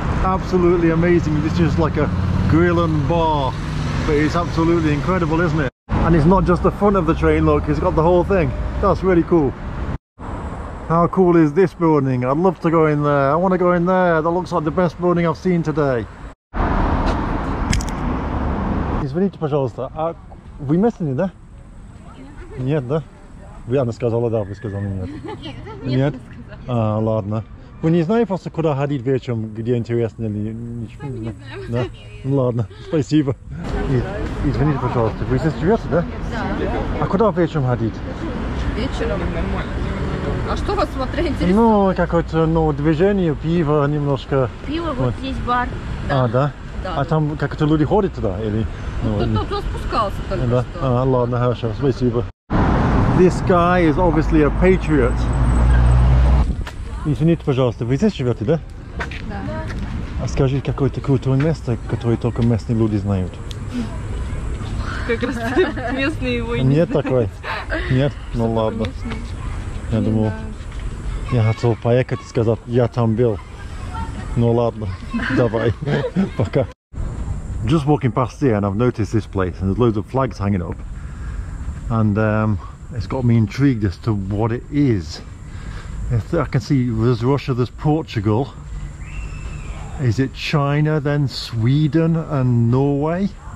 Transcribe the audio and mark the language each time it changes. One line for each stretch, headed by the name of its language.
English: Absolutely amazing. This is just like a grill and bar. But it's absolutely incredible, isn't it? And it's not just the front of the train, look, it's got the whole thing. That's really cool. How cool is this building? I'd love to go in there. I want to go in there. That looks like the best building I've seen today.
Russian: Извините, пожалуйста, а вы местные, да? Нет, да? Вы она сказала да, вы сказали нет. Нет, нет. А, ладно. Вы не знаете просто куда ходить вечером, где интересно или ничего? Не знаю. Да? Ну ладно, спасибо. Извините, пожалуйста, вы здесь живете, да? Да. А куда вечером ходить? Вечером. А что вас смотря интересует? Ну, какое-то, ну, движение, пиво немножко. Пиво, вот, вот здесь бар. Да. А, да? Да. А там как-то люди ходят туда? Или, ну, кто-то, кто-то спускался только да? что. А, ладно, хорошо, спасибо.
English: This guy is obviously a patriot.
Russian: Извините, пожалуйста, вы здесь живете, да? Да. А скажи, какое-то крутое место, которое только местные люди знают? Как раз местные его и не знают. Нет такой? Нет? Ну ладно. Местный. Я думал, да. Я готов поехать и сказать, я там был. Ну ладно, давай, пока.
English: Just walking past here and I've noticed this place and there's loads of flags hanging up. And it's got me intrigued as to what it is. I can see there's Russia, there's Portugal. Is it China, then Sweden and Norway?